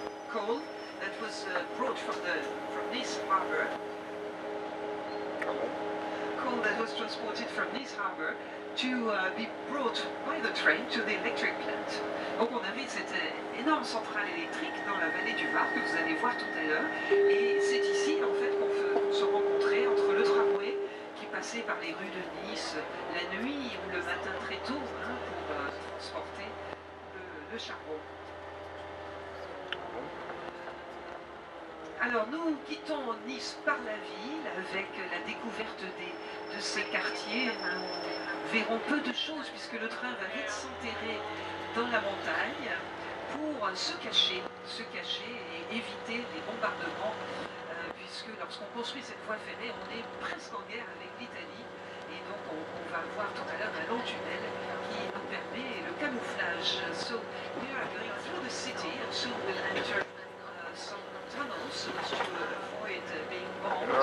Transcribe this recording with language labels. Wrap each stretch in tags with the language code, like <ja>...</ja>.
<en>coal that was brought from Nice harbor. Coal that was transported from Nice Harbour to be brought by the train to the electric plant.</en> <fr>Donc on avait cette énorme centrale électrique dans la vallée du Var que vous allez voir tout à l'heure. Et c'est ici en fait qu'on se rencontrait entre le tramway qui passait par les rues de Nice la nuit ou le matin très tôt hein, pour transporter le charbon. Alors nous quittons Nice par la ville avec la découverte de ces quartiers. Nous verrons peu de choses puisque le train va vite s'enterrer dans la montagne pour se cacher et éviter les bombardements puisque lorsqu'on construit cette voie ferrée, on est presque en guerre avec l'Italie et donc on va voir tout à l'heure un long tunnel qui nous permet le camouflage.</fr> <en>So we are going through the city and so we'll enter some tunnels to avoid being bombed.</en>